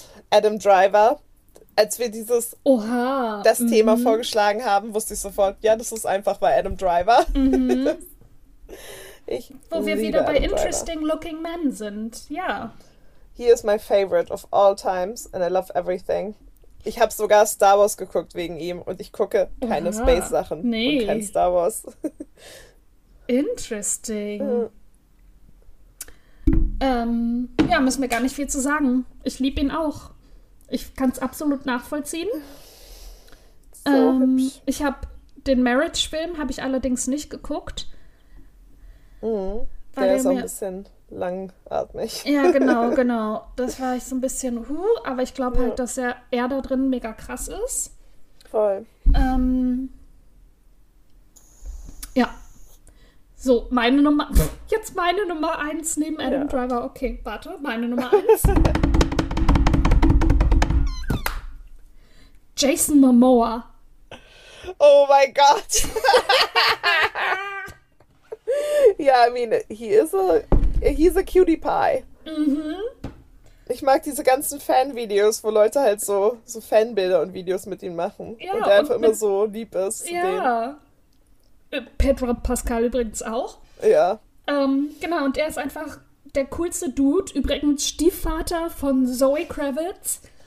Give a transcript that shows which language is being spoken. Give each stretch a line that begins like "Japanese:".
German: Adam Driver. Als wir dieses das Thema vorgeschlagen haben, wusste ich sofort, ja, das ist einfach bei Adam Driver. Mhm. Ich wo wir wieder bei
English: interesting looking men
German: sind. Ja.
English: He is my favorite of all times and I love everything.
German: Ich habe sogar Star Wars geguckt wegen ihm und ich gucke keine Space-Sachen und kein Star Wars.
English: Interesting.
German: Ja, müssen wir gar nicht viel zu sagen. Ich liebe ihn auch. Ich kann es absolut nachvollziehen. So hübsch. Ich habe den Marriage-Film habe ich allerdings nicht geguckt. Der ist auch ein bisschen langatmig. Ja, genau, genau. Das war ich so ein bisschen, aber ich glaube halt, dass er da drin mega krass ist. Voll. Ja. So, meine Nummer. Jetzt meine Nummer 1 neben Adam Driver. Okay, warte, meine Nummer 1. Jason Momoa. Oh mein Gott.
English: Ja, yeah, I mean, he's a cutie pie. Mhm.
German: Ich mag diese ganzen Fan-Videos, wo Leute halt so Fanbilder und Videos mit ihm machen. Ja, und er einfach immer so lieb ist. Ja. Pedro Pascal übrigens auch. Ja. Genau, und er ist einfach der coolste Dude. Übrigens Stiefvater von Zoe Kravitz.